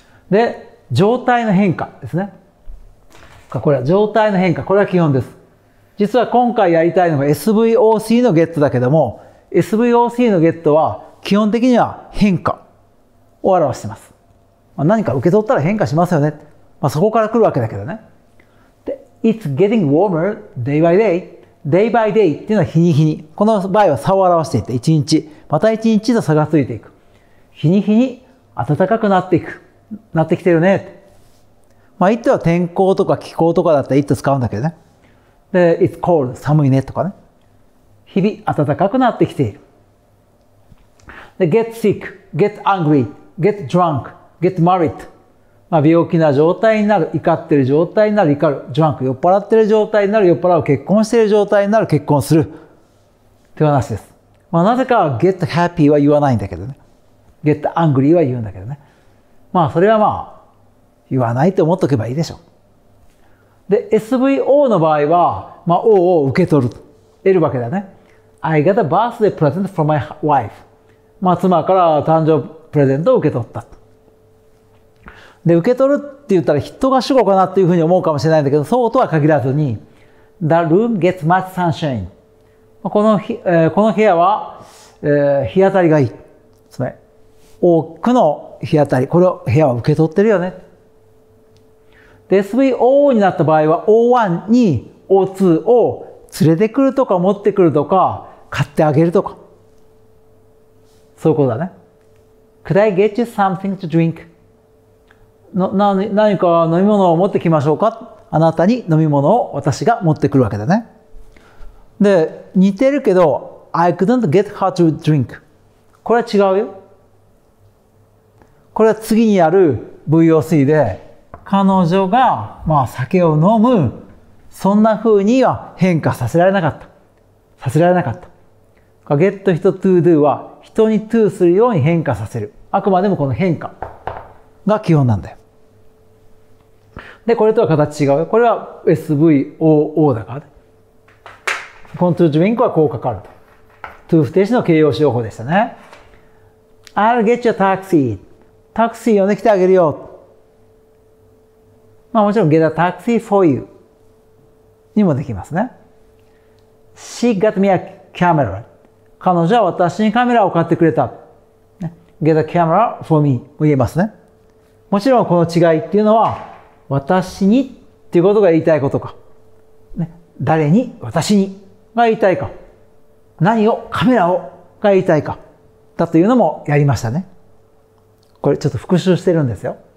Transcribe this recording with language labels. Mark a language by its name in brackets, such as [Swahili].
[Japanese] で、状態の変化ですね。これは状態の変化。これは基本です。実は今回やりたいのが SVOC の get だけども、SVOC の get は基本的には変化を表しています。何か受け取ったら変化しますよね。まあ、そこから来るわけだけどね。で、 [English] It's getting warmer day by day. [Japanese] Day by day っていうのは日に日に。この場合は差を表していて、1日。また1日と差がついていく。日に日に暖かくなっていく。なってきてるね。まあ、It は天候とか気候とかだったら It 使うんだけどね。で、 [English] It's cold, [Japanese] 寒いねとかね。日々暖かくなってきている。 [English] で、Get sick, get angry, get drunk. get married. [Japanese] まあ、病気な状態になる、怒ってる状態になる、怒る、ジャンク、酔っ払ってる状態になる、酔っ払う、結婚してる状態になる、結婚する。という話です。まあ、なぜか、get happy は言わないんだけどね。get angry は言うんだけどね。まあ、それはまあ、言わないと思っておけばいいでしょう。で、SVO の場合は、まあ、O を受け取る、得るわけだね。 [English] I got a birthday present from my wife. [Japanese] まあ、妻から誕生プレゼントを受け取った。で、受け取るって言ったら人が主語かなっていうふうに思うかもしれないんだけど、そうとは限らずに、 [English] The room gets much sunshine. [Japanese] この部屋は、日当たりがいい。つまり、多くの日当たり。この部屋は受け取ってるよね。で、SVO になった場合は、O1 に O2 を連れてくるとか持ってくるとか、買ってあげるとか。そういうことだね。 [English] Could I get you something to drink? [Japanese] 何か飲み物を持ってきましょうか。あなたに飲み物を私が持ってくるわけだね。 [English] で、似てるけど、I couldn't get her to drink. [Japanese] これは違うよ。これは次にある VOC で、彼女が、まあ、酒を飲む、そんな風には変化させられなかった。させられなかった。 get 人 to do は、人に to するように変化させる。あくまでもこの変化が基本なんだよ。で、これとは形違う。これは SVOO だから、ね。この to drink はこうかかると。 to 不定詞の形容詞用法でしたね。 [English] I'll get you a taxi. [Japanese] タクシー呼んできてあげるよ。まあもちろん [English] get a taxi for you [Japanese] にもできますね。 [English] She got me a camera. [Japanese] 彼女は私にカメラを買ってくれた。 [English] get a camera for me [Japanese] も言えますね。もちろんこの違いっていうのは、私にっていうことが言いたいことか。ね、誰に、私にが言いたいか。何を、カメラをが言いたいか。だというのもやりましたね。これちょっと復習してるんですよ。